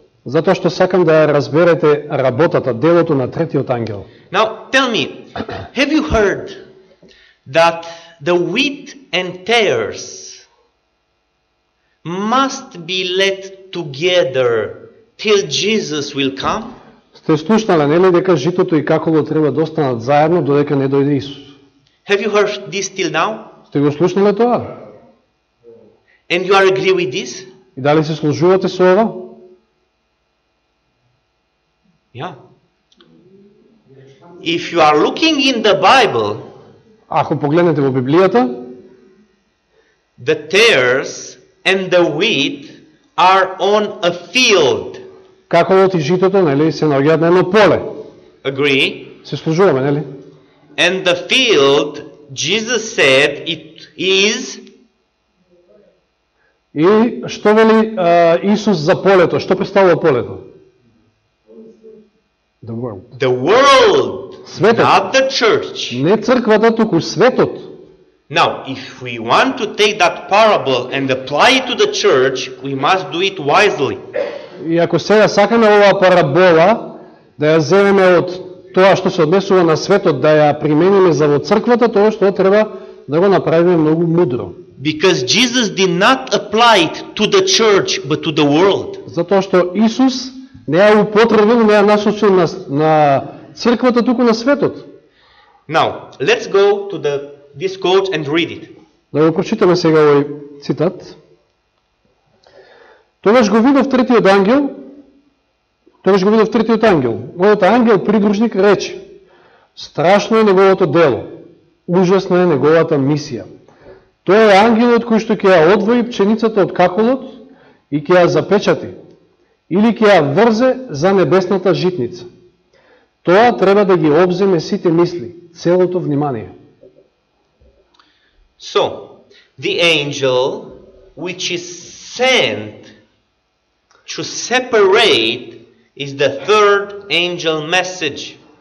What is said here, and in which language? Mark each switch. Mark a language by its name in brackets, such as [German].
[Macedonian] Затоа што сакам да разберете работата, делото на третиот ангел. [English] Now tell me, have you heard that the wheat and tares must be let together till Jesus will come? [Macedonian] Сте слушнале, нели, дека житото и каколот треба да останат заедно додека не дојде Исус? [English] Have you heard this till now? [Macedonian] Сте го слушнале тоа? [English] And you are agree with this? [Macedonian] И дали се сложувате со ова? [English] Yeah. If you are looking in the Bible, [Macedonian] ако погледнете во Библијата, [English] the tares and the wheat are on a field. [Macedonian] Како во ти житото, нели, се наоѓаат на едно поле. [English] Agree. [Macedonian] Се служуваме, нели? [English] And the field, Jesus said, it is... [Macedonian] И што вели Исус за полето? Што представува полето? [English] The world. The world! [Macedonian] Светот. [English] Not the church. [Macedonian] Не црквата, туку светот. [English] Now, if we want to take that parable and apply it to the church, we must do it wisely. [Macedonian] И ако сега сакаме оваа парабола да ја земеме од тоа што се однесува на светот, да ја примениме за во црквата, тоа што треба да го направиме многу мудро. [English] Because Jesus did not apply it to the church, but to the world. [Macedonian] Затоа што Исус не ја употребил, не ја насочил на црквата, туку на светот. [English] Now, let's go to this quote and read it. [Macedonian] Да го прочитаме сега овој цитат. Тогаш го видов третиот ангел, мојот ангел, придружник, рече: Страшно е неговото дело, ужасна е неговата мисија. Тој е ангелот кој што ќе ја одвои пченицата од каколот и ќе ја запечати, или ќе ја врзе за небесната житница. Тоа треба да ги обземе сите мисли, целото внимание. [English] So, the angel which is sent to separate is the third angel message.